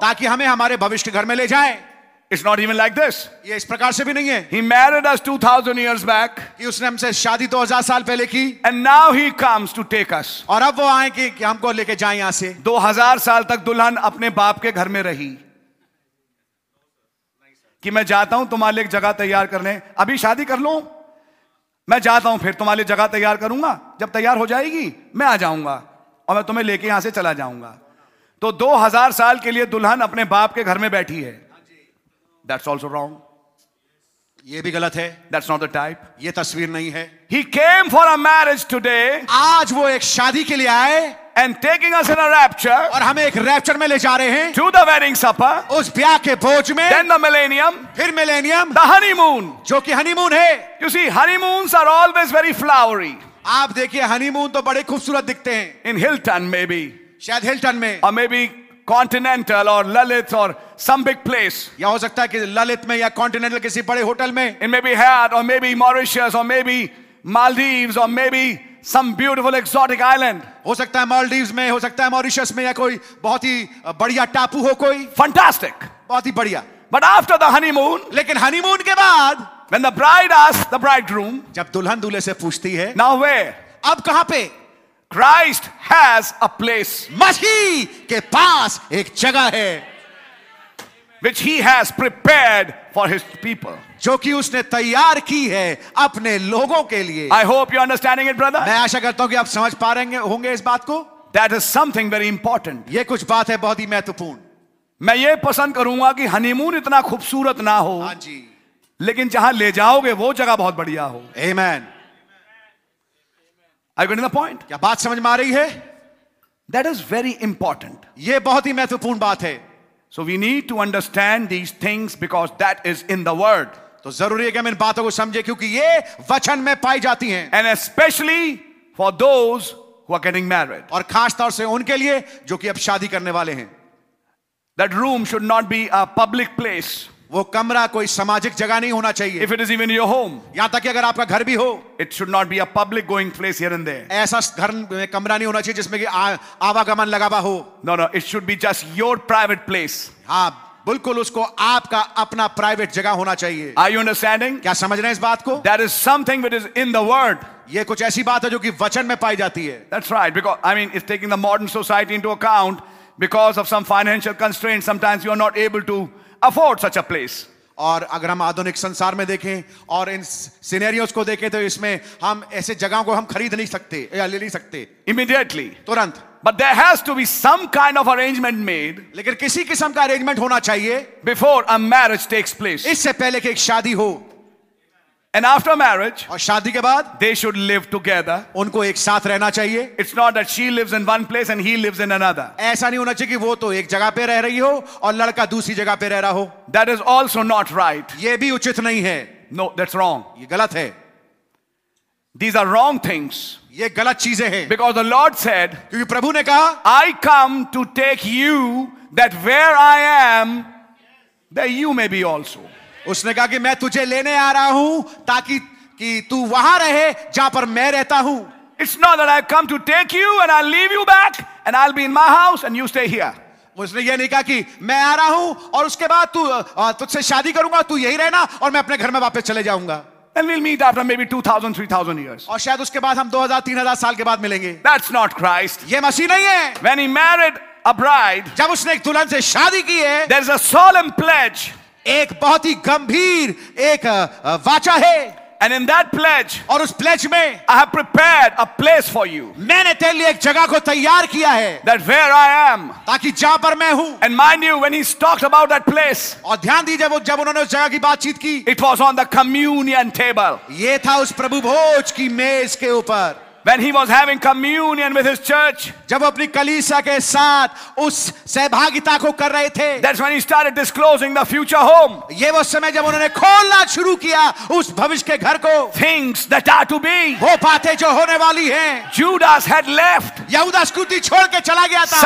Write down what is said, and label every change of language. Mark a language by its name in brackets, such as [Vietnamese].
[Hindi] ताकि हमें हमारे भविष्य घर में ले जाए. [English] It's not even like this. [Hindi] ये इस प्रकार से भी नहीं है. [English] He married us 2000 years back. [Hindi] कि उसने हमसे शादी 2000 साल पहले की. [English] And now he comes to take us. [Hindi] और अब वो आए कि हमको लेके जाए यहां से. 2000 साल तक दुल्हन अपने बाप के घर में रही. कि मैं जाता हूं तुम्हारे लिए एक जगह तैयार करने. अभी शादी कर लो, मैं जाता हूं फिर तुम्हारे लिए जगह तैयार करूंगा. जब तैयार हो जाएगी मैं आ जाऊंगा और मैं तुम्हें लेके यहां से चला जाऊंगा. तो 2000 साल के लिए दुल्हन अपने बाप के घर में बैठी है. [English] That's also wrong. [Hindi] ये भी गलत है. [English] That's not the type. [Hindi] ये तस्वीर नहीं है. [English] He came for a marriage today. [Hindi] आज वो एक शादी के लिए आए. [English] and taking us in a rapture. [Hindi] और हमें एक rapture में ले जा रहे हैं. [English] To the wedding supper. [Hindi] उस ब्याह के भोज में. [English] Then the millennium. [Hindi] फिर millennium. [English] The honeymoon. [Hindi] जो कि honeymoon है. [English] You see, honeymoons are always very flowery. [Hindi] आप देखिए honeymoon तो बड़े खूबसूरत दिखते हैं. [English] In Hilton maybe. [Hindi] शायद Hilton में. [English] Or maybe. Continental or Lalit or some big place. [Hindi] या हो सकता है कि ललित में या continental किसी बड़े होटल में. [English] It may be Hyatt or maybe Mauritius or maybe Maldives or maybe some beautiful exotic island. [Hindi] हो सकता है Maldives में, हो सकता है Mauritius में या कोई बहुत ही बढ़िया टापू हो कोई. [English] Fantastic. [Hindi] बहुत ही बढ़िया. [English] But after the honeymoon. [Hindi] लेकिन honeymoon के बाद. [English] When the bride asks the bridegroom. [Hindi] जब दुल्हन दूल्हे से पूछती है. [English] Now where? [Hindi] अब कहाँ पे? [English] Christ has a place. [Hindi] मसीह के पास एक जगह है, [English] which he has prepared for his people. [Hindi] जो कि उसने तैयार की है अपने लोगों के लिए. [English] I hope you're understanding it, brother. [Hindi] मैं आशा करता हूं कि आप समझ पा रहे होंगे इस बात को. [English] That is something very important. [Hindi] ये कुछ बात है बहुत ही महत्वपूर्ण. मैं ये पसंद करूंगा कि हनीमून इतना खूबसूरत ना हो. हाँ जी. लेकिन जहां ले जाओगे वो जगह बहुत बढ़िया हो. [English] Amen. Are you getting the point? [Hindi] क्या बात समझ में आ रही है? [English] That is very important. [Hindi] ये बहुत ही महत्वपूर्ण बात है. [English] So we need to understand these things because that is in the word. [Hindi] तो जरूरी है कि हम इन बातों को समझे क्योंकि ये वचन में पाई जाती हैं. [English] And especially for those who are getting married. [Hindi] और खासतौर से उनके लिए जो कि अब शादी करने वाले हैं. [English] That room should not be a public place. [Hindi] वो कमरा कोई सामाजिक जगह नहीं होना चाहिए. [English] If it is even your home, [Hindi] यहां तक कि अगर आपका घर भी हो, [English] it should not be a public going place here and there. [Hindi] ऐसा घर में कमरा नहीं होना चाहिए जिसमें कि आवागमन लगा हुआ हो. [English] No, no, it should be just your private place. [Hindi] हाँ, बिल्कुल उसको आपका अपना प्राइवेट जगह होना चाहिए. [English] Are you understanding? [Hindi] क्या समझ रहे हैं इस बात को? [English] That is something which is in the word. [Hindi] ये कुछ ऐसी बात है जो कि वचन में पाई जाती है. [English] That's right, because I mean, it's taking the modern society into account because of some financial constraints. Sometimes you are not able to. Afford such a place. [Hindi] और अगर हम आधुनिक संसार में देखें और इन सिनेरियोस को देखें तो इसमें हम ऐसे जगहों को हम खरीद नहीं सकते या ले नहीं सकते. [English] Immediately. [Hindi] तुरंत. [English] But there has to be some kind of arrangement made. [Hindi] लेकिन किसी किस्म का arrangement होना चाहिए. [English] Before a marriage takes place. [Hindi] इससे पहले कि एक शादी हो. [English] And after marriage. [Hindi] और शादी के बाद. [English] They should live together. [Hindi] उनको एक साथ रहना चाहिए. [English] It's not that she lives in one place and he lives in another. [Hindi] ऐसा नहीं होना चाहिए कि वो तो एक जगह पे रह रही हो और लड़का दूसरी जगह पे रह रहा हो. [English] That is also not right. [Hindi] ये भी उचित नहीं है. [English] No, that's wrong. [Hindi] ये गलत है. [English] These are wrong things. [Hindi] ये गलत चीजें हैं. [English] Because the Lord said. [Hindi] क्योंकि प्रभु ने कहा. [English] I come to take you that where I am, there you may be also. [Hindi] उसने कहा कि मैं तुझे लेने आ रहा हूं ताकि कि तू वहां रहे जहां पर मैं रहता हूं. [English] It's not that I come to take you and I'll leave you back and I'll be in my house and you stay here. [Hindi] उसने ये नहीं कहा कि मैं आ रहा हूं और उसके बाद तू तुझसे शादी करूंगा, तू यही रहना और मैं अपने घर में वापस चले जाऊंगा. [English] And we'll meet after maybe 2,000, 3,000 years. [Hindi] और शायद उसके बाद हम 2,000-3,000 साल के बाद मिलेंगे. [English] That's not Christ. [Hindi] ये मसीह नहीं है. [English] When he married a bride, [Hindi] जब उसने एक दुल्हन से शादी की है, [English] there's a solemn pledge. [Hindi] एक बहुत ही गंभीर एक वाचा है. [English] And in that pledge, [Hindi] और उस प्लेज में, [English] I have prepared a place for you. [Hindi] मैंने तेरे लिए एक जगह को तैयार किया है. [English] That where I am, [Hindi] ताकि जहां पर मैं हूं. [English] And mind you, when he talked about that place, [Hindi] और ध्यान दीजिए वो जब उन्होंने उस जगह की बातचीत की, [English] it was on the communion table. [Hindi] ये था उस प्रभु भोज की मेज के ऊपर. [English] When he was having communion with his church, [Hindi] जब अपनी कलीसिया के साथ उस सहभागिता को कर रहे थे, [English] that's when he started disclosing the future home. [Hindi] ये वो समय जब उन्होंने खोलना शुरू किया उस भविष्य के घर को. [English] Things that are to be. [Hindi] वो बातें जो होने वाली हैं. [English] Judas had left. [Hindi] यहूदा स्कूटी छोड़ के चला गया था.